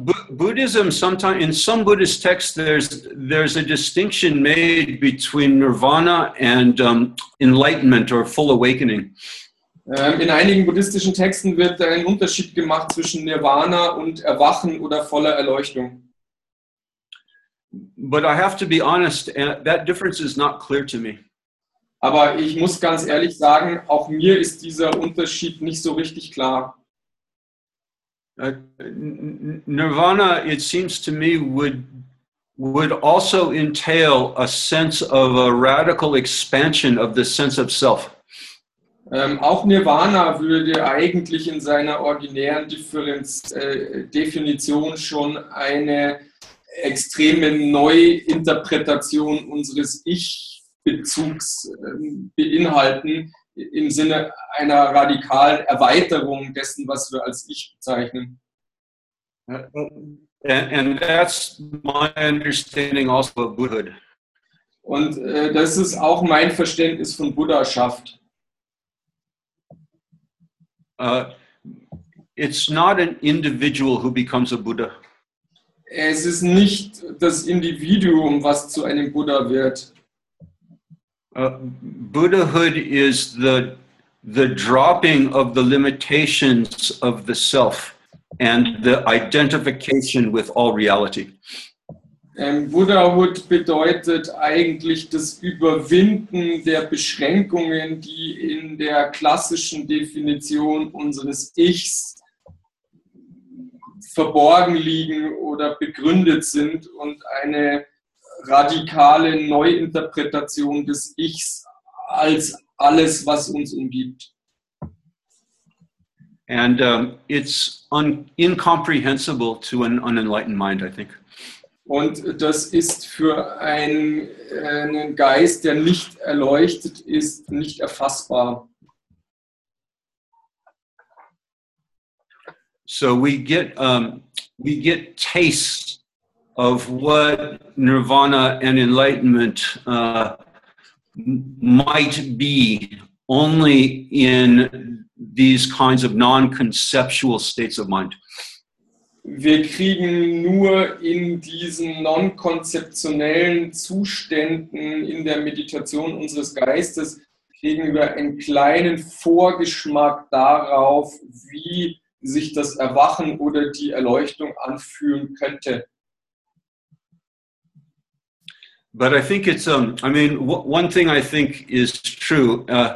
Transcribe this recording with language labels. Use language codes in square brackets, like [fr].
[en] Buddhism, sometimes in some Buddhist texts, there's a distinction made between Nirvana and enlightenment or full awakening. [de] In einigen buddhistischen Texten wird ein Unterschied gemacht zwischen Nirvana und Erwachen oder voller Erleuchtung. [en] But I have to be honest, that difference is not clear to me. [de] Aber ich muss ganz ehrlich sagen, auch mir ist dieser Unterschied nicht so richtig klar. [en] Nirvana, it seems to me, would also entail a sense of a radical expansion of the sense of self. [de] Auch Nirvana würde eigentlich in seiner originären Definition schon eine extreme Neuinterpretation unseres Ich-Bezugs beinhalten, im Sinne einer radikalen Erweiterung dessen, was wir als Ich bezeichnen. [en] And that's my understanding also of Buddhahood. [de] Und das ist auch mein Verständnis von Buddhaschaft. [en] It's not an individual who becomes a Buddha. [de] Es ist nicht das Individuum, was zu einem Buddha wird. [en] Buddhahood is the dropping of the limitations of the self and the identification with all reality. [de] Buddhahood bedeutet eigentlich das Überwinden der Beschränkungen, die in der klassischen Definition unseres Ichs verborgen liegen oder begründet sind, und eine radikale Neuinterpretation des Ichs als alles, was uns umgibt. [en] And it's incomprehensible to an unenlightened mind, I think. [de] Und das ist für einen Geist, der nicht erleuchtet ist, nicht erfassbar. [en] So we get taste of what nirvana and enlightenment might be only in these kinds of non-conceptual states of mind. [de] Wir kriegen nur in diesen non-konzeptionellen Zuständen in der Meditation unseres Geistes kriegen wir einen kleinen Vorgeschmack darauf, wie sich das Erwachen oder die Erleuchtung anfühlen könnte. [en] But I think it's one thing I think is true.